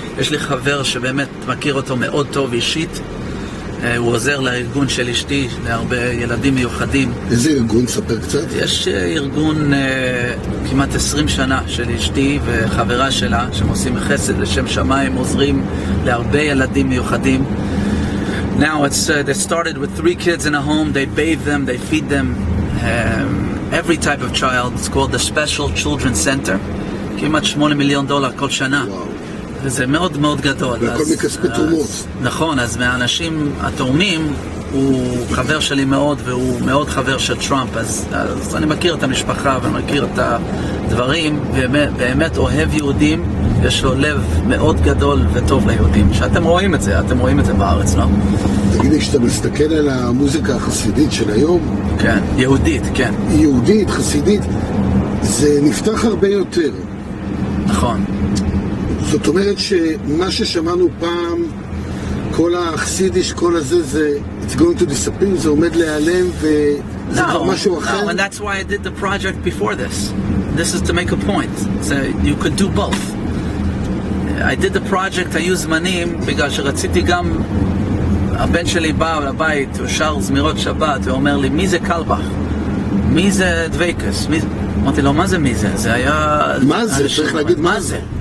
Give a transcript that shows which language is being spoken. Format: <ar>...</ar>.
<he>יש לי חבר שבאמת מכיר אותו מאוד טוב אישית. הוא עוזר לארגון של אשתי, להרבה ילדים מיוחדים. איזה ארגון? ספר קצת. יש ארגון כמעט 20 שנה של אשתי וחברה שלה, שעושים חסד לשם שמיים, עוזרים להרבה ילדים מיוחדים.</he> <en>Now it's they started with 3 kids in a home. They bathe them, they feed them, every type of child. It's called the Special Children Center.</en> <he>כמעט 8 מיליון דולר כל שנה. וזה מאוד מאוד גדול. והכל מכספי תרומות. נכון, אז מהאנשים התורמים, הוא חבר שלי מאוד, והוא מאוד חבר של טראמפ, אז אני מכיר את המשפחה ומכיר את הדברים, ובאמת אוהב יהודים, יש לו לב מאוד גדול וטוב ליהודים, שאתם רואים את זה, אתם רואים את זה בארץ, לא? תגידי, כשאתה מסתכל על המוזיקה החסידית של היום? כן, יהודית, כן. יהודית, חסידית, זה נפתח הרבה יותר. נכון. זאת אומרת שמה ששמענו פעם, כל החסידיש, כל הזה, זה</he> <en>it's going to disappear,</en> <he>זה עומד להיעלם וזה כבר משהו אחר?</he> <en>No, and that's why I did the project before this. This is to make a point. So you could do both. I did the project,</en> <he>היו זמנים, בגלל שרציתי גם, הבן שלי בא לבית, הוא שר זמירות שבת, הוא אומר לי, מי זה קלבך? מי זה דוויקס? אמרתי לו, מה זה מי זה? זה היה... מה זה? צריך להגיד מה זה?</he>